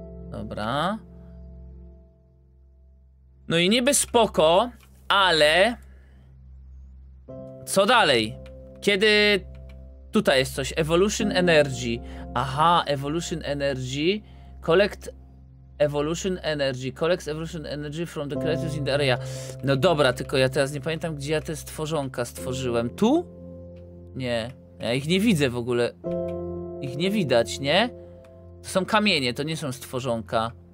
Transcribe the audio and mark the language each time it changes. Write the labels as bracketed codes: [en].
[pl] Dobra. No i niby spoko, ale co dalej? Kiedy tutaj jest coś, Evolution Energy. [en] Aha, Evolution Energy. Collect Evolution Energy. Collects Evolution Energy from the creatures in the area. [pl] No dobra, tylko ja teraz nie pamiętam, gdzie ja te stworzonka stworzyłem. Tu? Nie. Ja ich nie widzę w ogóle. Ich nie widać, nie? To są kamienie, to nie są stworzonka.